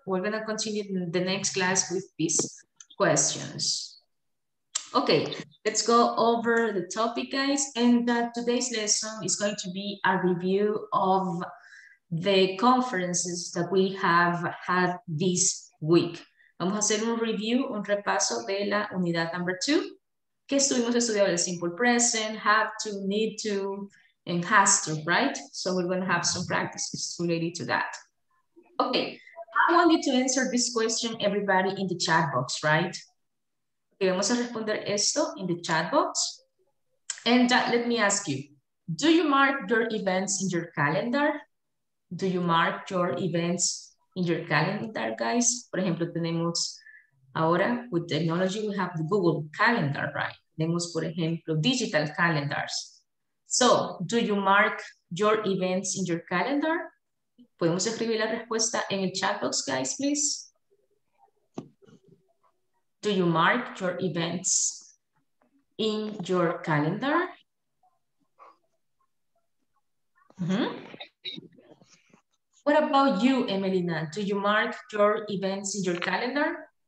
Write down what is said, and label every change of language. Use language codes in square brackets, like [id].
[en] We're going to continue in the next class with these questions. Okay, let's go over the topic, guys. And today's lesson is going to be a review of the conferences that we have had this week. [es] Vamos a hacer un review, un repaso de la unidad [en] number two. [es] ¿Qué estuvimos estudiando? El simple present, have to, need to, and has to, right? [en] So we're going to have some practices related to that. Okay, I want you to answer this question, everybody, in the chat box, right? Okay, [es] vamos a responder esto [en] in the chat box. And let me ask you, do you mark your events in your calendar? Do you mark your events in your calendar, guys? [es] Por ejemplo, tenemos ahora, [en] with technology, we have the Google Calendar, right? [es] Tenemos, por ejemplo, [en] digital calendars. So, do you mark your events in your calendar? [es] ¿Podemos escribir la respuesta en el chat box, [en] guys, please? Do you mark your events in your calendar? Mm-hmm. What about you, Emelina? Do you mark your events in your calendar?